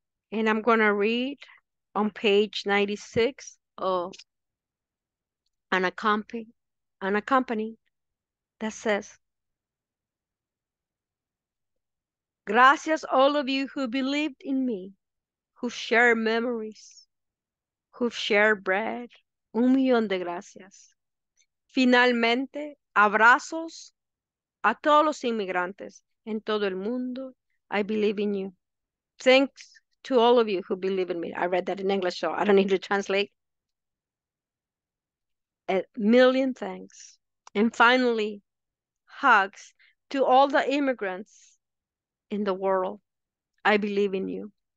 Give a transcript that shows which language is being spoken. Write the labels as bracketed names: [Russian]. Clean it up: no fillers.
[English] And I'm going to read on page 96 of Unaccompanied that says, gracias, all of you who believed in me, who shared memories, who've shared bread. [Spanish] Un millón de gracias. Finalmente, abrazos a todos los inmigrantes en todo el mundo. [English] I believe in you. Thanks to all of you who believe in me. I read that in English, so I don't need to translate. A million thanks. And finally, hugs to all the immigrants in the world. I believe in you.